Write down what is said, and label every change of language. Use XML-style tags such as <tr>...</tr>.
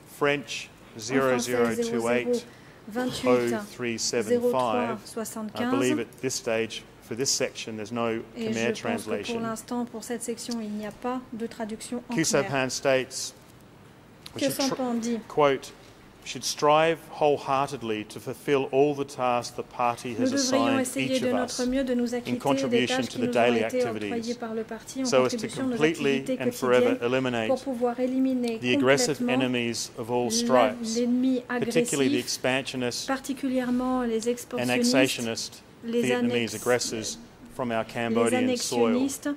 <en>French 0028-0375, I believe at this stage, for this section, there's no Khmer translation.</en> <fr>Pour l'instant, pour cette section, il n'y a pas de traduction en</fr> <en>Khieu Samphan states, quote, should strive wholeheartedly to fulfill all the tasks the party has assigned each of us in contribution to the daily activities, so as to completely and forever eliminate the aggressive enemies of all stripes, particularly the expansionists, annexationists, Vietnamese aggressors from our Cambodian soil.</en>